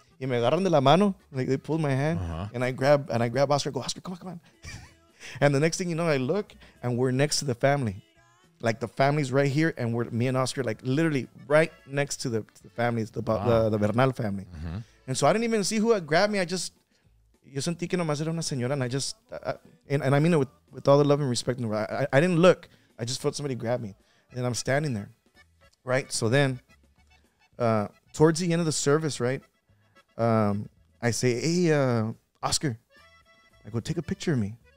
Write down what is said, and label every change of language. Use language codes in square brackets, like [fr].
[es] Y me agarran de la mano. [en] Like they pulled my hand. Uh-huh. And I grab Oscar. I go, Oscar, come on. And the next thing you know, I look and we're next to the family. Like the family's right here. And we're me and Oscar, like literally right next to the families, the Bernal family. Mm-hmm. And so I didn't even see who grabbed me. I just, [es] yo sentí que nomás era una señora. [en] And I just, and I mean it with all the love and respect in the world. I didn't look. I just felt somebody grab me. And then I'm standing there, right? So then, towards the end of the service, right? I say, hey, Oscar, I go, take a picture of me.